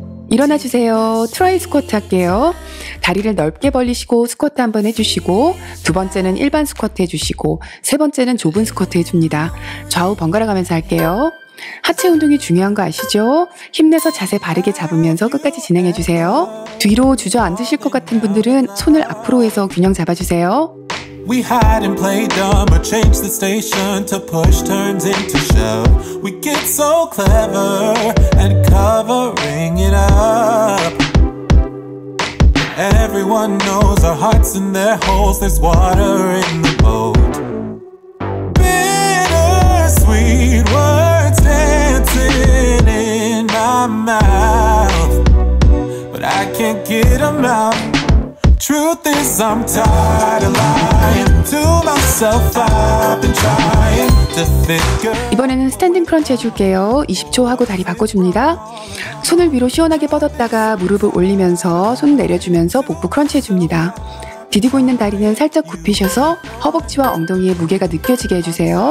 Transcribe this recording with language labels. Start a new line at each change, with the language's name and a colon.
Korean: 일어나주세요. 트라이 스쿼트 할게요. 다리를 넓게 벌리시고 스쿼트 한번 해주시고 두 번째는 일반 스쿼트 해주시고 세 번째는 좁은 스쿼트 해줍니다. 좌우 번갈아가면서 할게요. 하체 운동이 중요한 거 아시죠? 힘내서 자세 바르게 잡으면서 끝까지 진행해주세요. 뒤로 주저앉으실 것 같은 분들은 손을 앞으로 해서 균형 잡아주세요.
English: We hide and play dumb or change the station to push turns into shove. We get so clever at covering it up. Everyone knows our hearts in their holes. There's water in the boat. Bittersweet words dancing in my mouth, but I can't get them out. Truth is I'm tired of lying to myself. I've been trying to figure.
Korean: 이번에는 스탠딩 크런치 해줄게요. 20초 하고 다리 바꿔줍니다. 손을 위로 시원하게 뻗었다가 무릎을 올리면서 손 내려주면서 복부 크런치 해줍니다. 디디고 있는 다리는 살짝 굽히셔서 허벅지와 엉덩이에 무게가 느껴지게 해주세요.